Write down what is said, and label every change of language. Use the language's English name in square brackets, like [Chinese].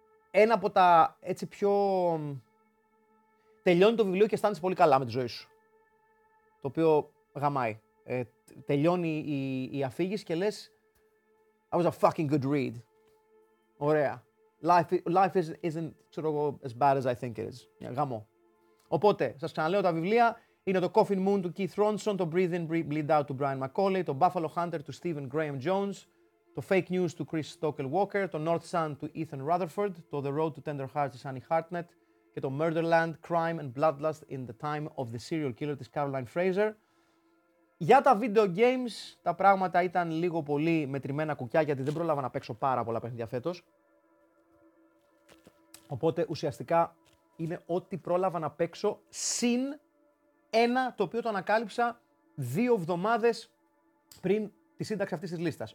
[Greek] Ένα από τα έτσι πιο... Τελειώνει το βιβλίο και αισθάνεσαι πολύ καλά με τη ζωή σου. Το οποίο γαμάει. Τελειώνει η αφήγηση και λες... [English] I was a fucking good read. Ωραία. Life isn't as bad as I think it is. [Greek] Yeah, γαμώ. Οπότε, σας ξαναλέω τα βιβλία. Είναι το Coffin Moon του Keith Ronson, το Breathe In, Bleed Out του Brian McCauley, το Buffalo Hunter του Stephen Graham Jones, το Fake News του Chris Stokel Walker, το North Sun του Ethan Rutherford, το The Road to Tender Hearts της Annie Hartnett και το Murderland, Crime and Bloodlust in the Time of the Serial Killer της Caroline Fraser. Για τα video games, τα πράγματα ήταν λίγο πολύ μετρημένα κουκιά, γιατί δεν πρόλαβα να παίξω πάρα πολλά παιχνίδια φέτος. Οπότε ουσιαστικά είναι ό,τι πρόλαβα να παίξω συν ένα το οποίο το ανακάλυψα δύο εβδομάδες πριν τη σύνταξη αυτής της λίστας.